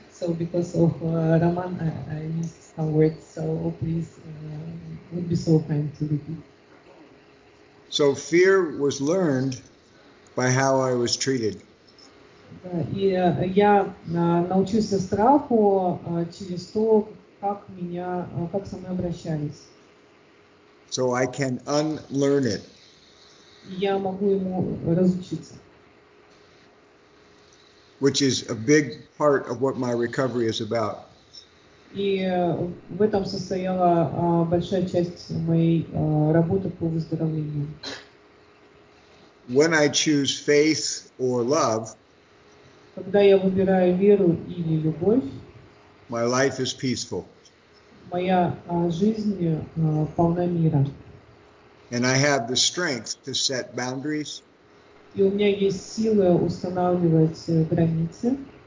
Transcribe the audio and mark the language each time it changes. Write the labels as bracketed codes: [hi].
[en] So because of Roman, I missed some words. So please, would be so kind to repeat. So fear was learned by how I was treated. [ru] Я научился страху через то, как меня, как со мной обращались. [en] So I can unlearn it. [ru] Я могу ему разучиться. [en] Which is a big part of what my recovery is about. [ru] И в этом состояла большая часть моей работы по выздоровлению. [en] When I choose faith or love, [ru] когда я выбираю веру или любовь, [en] my life is peaceful. [ru] Моя жизнь полна мира. [en] And I have the strength to set boundaries. [ru] И у меня есть силы устанавливать границы.